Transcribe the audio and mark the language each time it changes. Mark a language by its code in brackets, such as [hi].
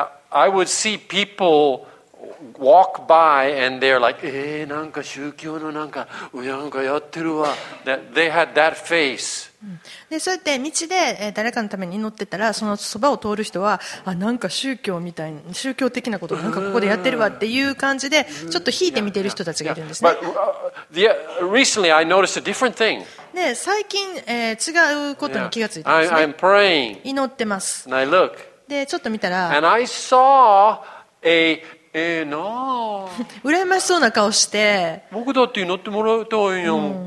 [en] I would see peopleWalk by and they're like, [ja] なんか宗教のなんかなんかやってるわ。 [en] They had that face. [ja] で、そうやって道で誰かのために祈ってたら、そのそばを通る人は、あ、なんか宗教みたいな、宗教的なことなんかここでやってるわっていう感じで、ちょっと引いて見てる人たちがいるんですね。 [en] Recently, I noticed a different thing. [ja] で、最近、違うことに気がついたんですね。 [en] I'm praying. [ja] 祈ってます。 [en] And I look. [ja] で、ちょっと見たら、 [en] And I saw a no. [ja] 羨ましそうな顔して。僕だって祈ってもらいたいよ。